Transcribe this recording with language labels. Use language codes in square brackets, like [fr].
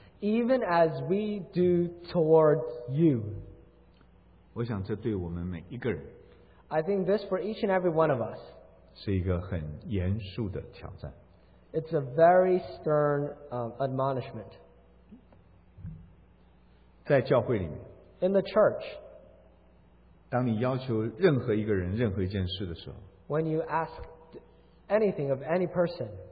[en] Even as we do towards you. [zh] 我想这对我们每一个人。 [en] I think this for each and every one of us. [zh] 是一个很严肃的挑战。 [en] It's a very stern admonishment. [zh] 在教会里面。 [en] In the church. [zh] 当你要求任何一个人任何一件事的时候。 [en] When you ask anything of any person.